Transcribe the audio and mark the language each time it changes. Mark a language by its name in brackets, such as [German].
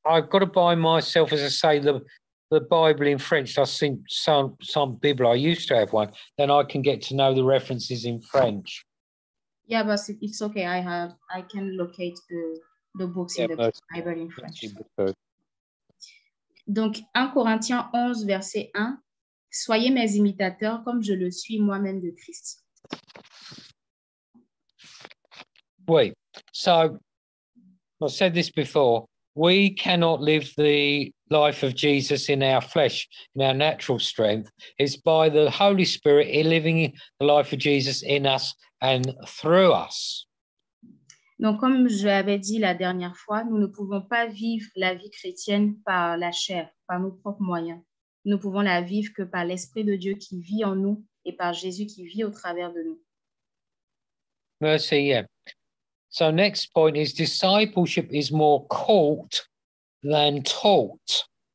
[English] I've got to buy myself, as I say, the Bible in French. I've seen some Bible, I used to have one. Then I can get to know the references in French. Yeah, but it's okay. I can locate the books in the Bible in French. [French] Donc, 1 Corinthiens 11, verset 1. Soyez mes imitateurs comme je le suis moi-même de Christ. [English] Oui. So, I've said this before. We cannot live the life of Jesus in our flesh, in our natural strength. It's by the Holy Spirit living the life of Jesus in us and through us. [French] Donc, comme je l'avais dit la dernière fois, nous ne pouvons pas vivre la vie chrétienne par la chair, par nos propres moyens. Nous ne pouvons la vivre que par l'Esprit de Dieu qui vit en nous et par Jésus qui vit au travers de nous. [English] Merci, yeah. So next point is discipleship is more caught than taught.